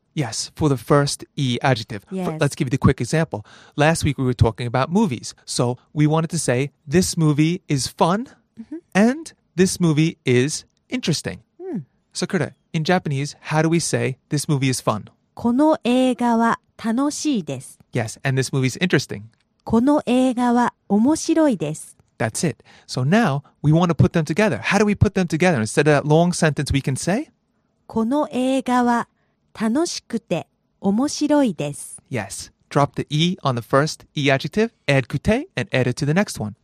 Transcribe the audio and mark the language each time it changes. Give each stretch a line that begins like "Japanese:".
English: Yes, for the first e adjective. Yes. Let's give you the quick example. Last week, we were talking about movies. So, we wanted to say, this movie is fun and this movie is interesting. Sakura, in Japanese, how do we say this movie is fun?
Japanese: この映画は楽しいです.
English: Yes, and this movie is interesting.
Japanese: この映画は面白いです.
English: That's it. So now, we want to put them together. How do we put them together? Instead of that long sentence, we can say?
Japanese: この映画は楽しくて面白いです.
English: Yes. Drop the E on the first E adjective, add kute, and add it to the next one.